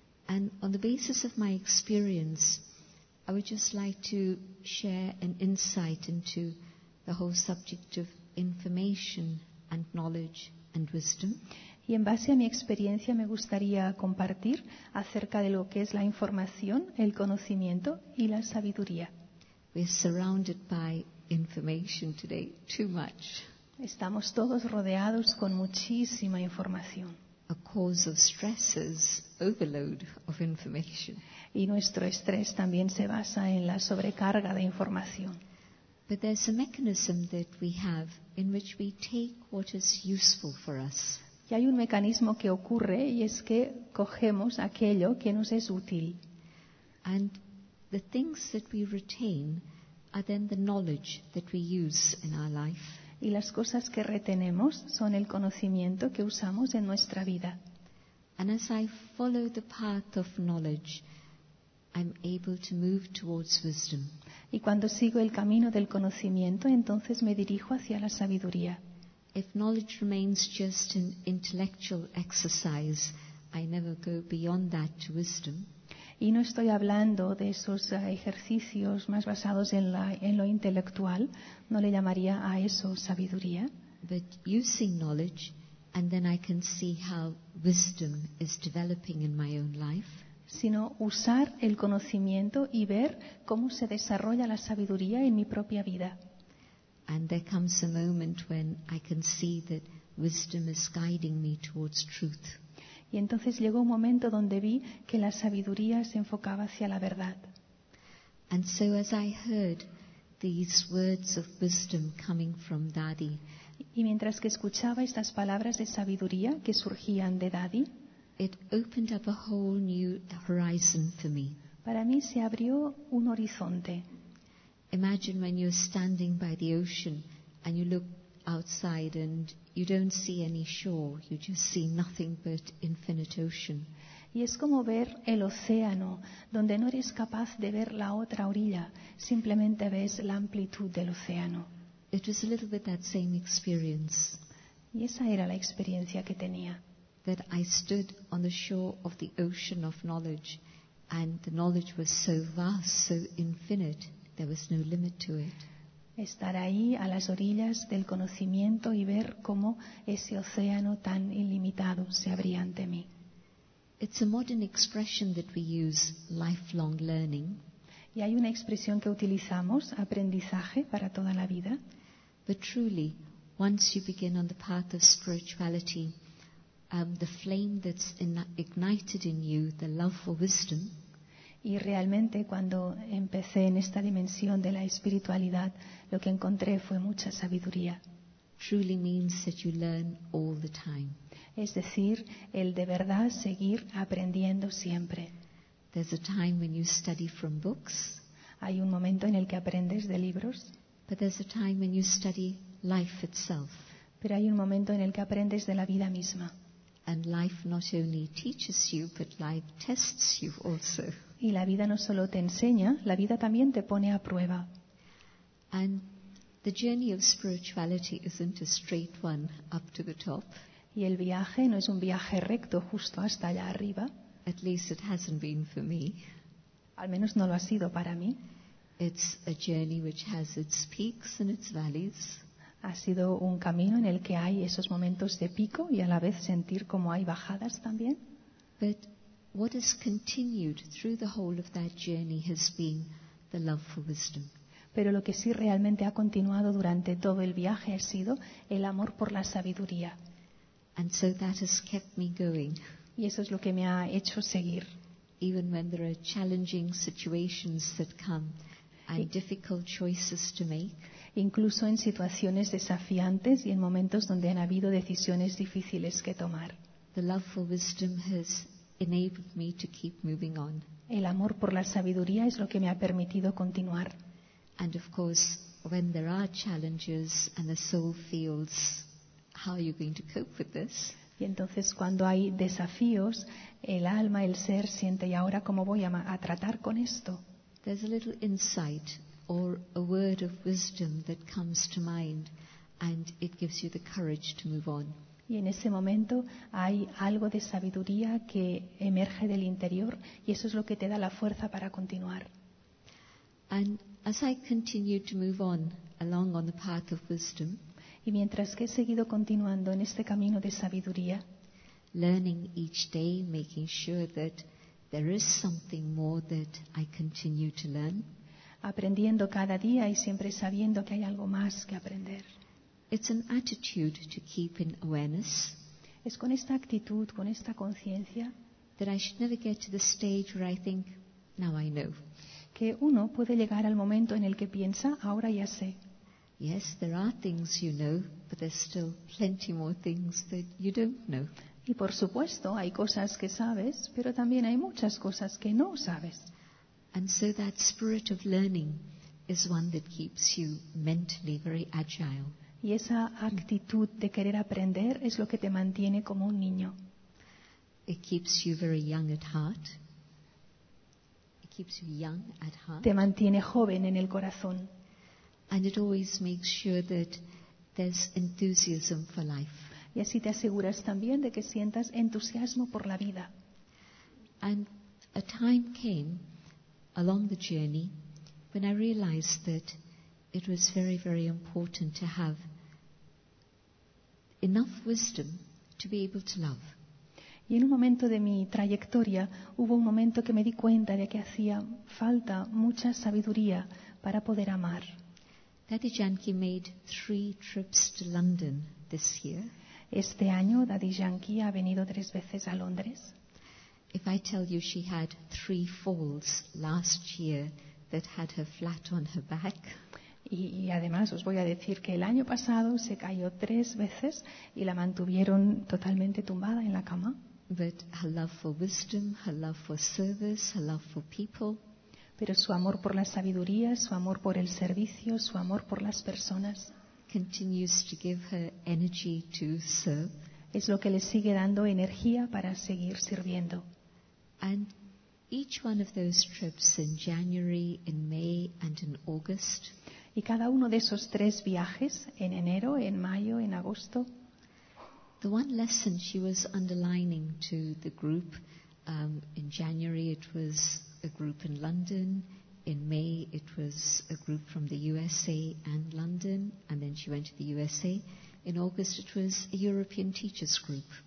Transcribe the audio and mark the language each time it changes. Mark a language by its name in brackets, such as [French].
[English] And on the basis of my experience, I would just like to share an insight into the whole subject of information and knowledge and wisdom. [Spanish] Y en base a mi experiencia me gustaría compartir acerca de lo que es la información, el conocimiento y la sabiduría. [English] We're surrounded by information today, too much. [Spanish] Estamos todos rodeados con muchísima información. [English] A cause of stresses, overload of information. [Spanish] Y nuestro estrés también se basa en la sobrecarga de información. [English] But there's a mechanism that we have in which we take what is useful for us. [Spanish] Y hay un mecanismo que ocurre y es que cogemos aquello que nos es útil. [English] And the things that we retain are then the knowledge that we use in our life. [Spanish] Y las cosas que retenemos son el conocimiento que usamos en nuestra vida. [English] And as I follow the path of knowledge, I'm able to move towards wisdom. [Spanish] Y cuando sigo el camino del conocimiento, entonces me dirijo hacia la sabiduría. [English] If knowledge remains just an intellectual exercise, I never go beyond that to wisdom. [Spanish] Y no estoy hablando de esos ejercicios más basados en lo intelectual, no le llamaría a eso sabiduría. [English] But using knowledge, and then I can see how wisdom is developing in my own life. [Spanish] Sino usar el conocimiento y ver cómo se desarrolla la sabiduría en mi propia vida. [English] And there comes a moment when I can see that wisdom is guiding me towards truth. [Spanish] Y entonces llegó un momento donde vi que la sabiduría se enfocaba hacia la verdad. [English] And so as I heard these words of wisdom coming from Daddy, [Spanish] y mientras que escuchaba estas palabras de sabiduría que surgían de Daddy, [English] it opened up a whole new horizon for me. [Spanish] Para mí se abrió un horizonte. [English] Imagine when you're standing by the ocean and you look outside and you don't see any shore, you just see nothing but infinite ocean. [Spanish] Y es como ver el océano, donde no eres capaz de ver la otra orilla, simplemente ves la amplitud del océano. [English] It was a little bit that same experience. [Spanish] Y esa era la experiencia que tenía. [English] That I stood on the shore of the ocean of knowledge, and the knowledge was so vast, so infinite, there was no limit to it. [Spanish] Estar ahí a las orillas del conocimiento y ver cómo ese océano tan ilimitado se abría ante mí. [English] It's a modern expression that we use, lifelong learning. [Spanish] Y hay una expresión que utilizamos, aprendizaje para toda la vida. [English] But truly, once you begin on the path of spirituality, the flame that's ignited in you, the love for wisdom. [Spanish] Y realmente cuando empecé en esta dimensión de la espiritualidad, lo que encontré fue mucha sabiduría. [English] Truly means that you learn all the time. [Spanish] Es decir, el de verdad seguir aprendiendo siempre. [English] There's a time when you study from books. [Spanish] Hay un momento en el que aprendes de libros. [English] But there's a time when you study life itself. [Spanish] Pero hay un momento en el que aprendes de la vida misma. [English] And life not only teaches you, but life tests you also. [Spanish] Y la vida no solo te enseña, la vida también te pone a prueba. [English] And the journey of spirituality isn't a straight one up to the top. [Spanish] Y el viaje no es un viaje recto justo hasta allá arriba. [English] At least it hasn't been for me. [Spanish] Al menos no lo ha sido para mí. [English] It's a journey which has its peaks and its valleys. [Spanish] Ha sido un camino en el que hay esos momentos de pico y a la vez sentir como hay bajadas también. [English] But what has continued through the whole of that journey has been the love for wisdom. [Spanish] Pero lo que sí realmente ha continuado durante todo el viaje ha sido el amor por la sabiduría. [English] And so that has kept me going. [Spanish] Y eso es lo que me ha hecho seguir. [English] Even when there are challenging situations that come and difficult choices to make. [Spanish] Incluso en situaciones desafiantes y en momentos donde han habido decisiones difíciles que tomar. [English] The love for wisdom has enabled me to keep moving on. [Spanish] El amor por la sabiduría es lo que me ha permitido continuar. [English] And of course, when there are challenges and the soul feels, how are you going to cope with this? [Spanish] Y entonces cuando hay desafíos, el alma, el ser siente, ¿y ahora cómo voy a tratar con esto? [English] There's a little insight or a word of wisdom that comes to mind and it gives you the courage to move on. [Spanish] Y en ese momento hay algo de sabiduría que emerge del interior y eso es lo que te da la fuerza para continuar. [English] And as I continue to move on along on the path of wisdom, [Spanish] y mientras que he seguido continuando en este camino de sabiduría, [English] learning each day, making sure that there is something more that I continue to learn, [Spanish] aprendiendo cada día y siempre sabiendo que hay algo más que aprender. [English] It's an attitude to keep in awareness. [Spanish] Es con esta actitud, con esta conciencia, [English] that I should never get to the stage where I think, now I know. [Spanish] Que uno puede llegar al momento en el que piensa, ahora ya sé. [English] Yes, there are things you know, but there's still plenty more things that you don't know. [Spanish] Y por supuesto, hay cosas que sabes, pero también hay muchas cosas que no sabes. [English] And so that spirit of learning is one that keeps you mentally very agile. [Spanish] Y esa actitud de querer aprender es lo que te mantiene como un niño. [English] It keeps you very young at heart. It keeps you young at heart. [Spanish] Te mantiene joven en el corazón. [English] And it always makes sure that there's enthusiasm for life. [Spanish] Y así te aseguras también de que sientas entusiasmo por la vida. [English] And a time came along the journey when I realized that it was very, very important to have enough wisdom to be able to love. [Spanish] Y en un momento de mi trayectoria hubo un momento que me di cuenta de que hacía falta mucha sabiduría para poder amar. [English] Daddy Yankee made 3 trips to London this year. [Spanish] Este año Daddy Yankee ha venido 3 veces a Londres. [English] If I tell you she had 3 falls last year that had her flat on her back. [Spanish] Y además os voy a decir que el año pasado se cayó 3 veces y la mantuvieron totalmente tumbada en la cama. [English] But her love for wisdom, her love for service, her love for people. [Spanish] Pero su amor por la sabiduría, su amor por el servicio, su amor por las personas [English] continues to give her energy to serve. [Spanish] Es lo que le sigue dando energía para seguir sirviendo. [English] And each one of those trips in January, in May and in August. [Spanish] Y cada uno de esos 3 viajes, en enero, en mayo, en agosto. [English] The one lesson she was underlining to the group, in January it was a group in London, in May it was a group from the USA and London, and then she went to the USA. In August it was a European teachers group.